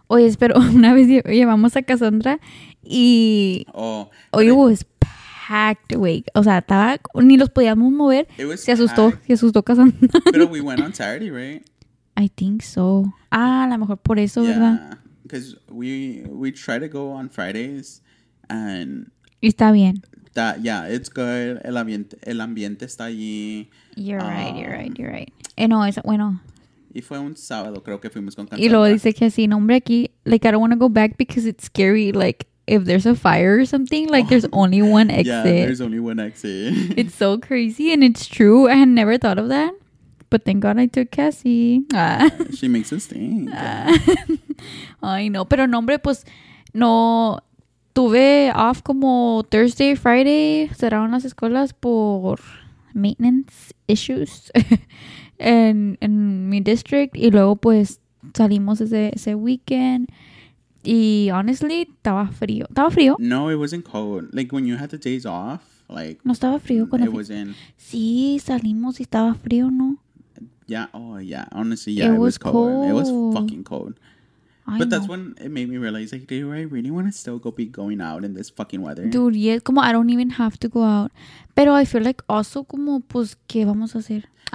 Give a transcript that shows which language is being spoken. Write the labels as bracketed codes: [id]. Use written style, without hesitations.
[es] Oye, espero, una vez llevamos a Cassandra y [en] it was packed, wait, [es] o sea, estaba, ni los podíamos mover, se asustó Cassandra. [en] Pero we went on Saturday, right? I think so. [es] Ah, a lo mejor por eso, yeah, ¿verdad? [en] Because we try to go on Fridays and... [es] Y está bien. [en] That, yeah, it's good, [es] el ambiente está allí. [en] You're right. [es] No, es bueno. Y fue un sábado, creo que fuimos con [en] Cassandra. [es] Y luego dice que así, no, hombre, aquí, [en] like, I don't want to go back because it's scary, like, if there's a fire or something, like, there's only one exit. Yeah, there's only one exit. It's so crazy, and it's true. I had never thought of that, but thank God I took Cassie. Yeah, she makes it stink. [es] Ay, no, pero no, hombre, pues, no, tuve off como Thursday, Friday, cerraron las escuelas por maintenance issues. En mi district, y luego pues salimos ese weekend, y honestly estaba frío. [en] No, it wasn't cold, like when you had the days off, like [es] no estaba frío cuando [en] it wasn't. [es] Sí, salimos y estaba frío. No, [en] yeah, oh yeah, honestly, yeah, it was cold. It was fucking cold. But that's when it made me realize, like, do I really want to still go be going out in this fucking weather? Dude, yeah, como I don't even have to go out. [es] Pero [en] I feel like also [es] como, pues, ¿qué vamos a hacer?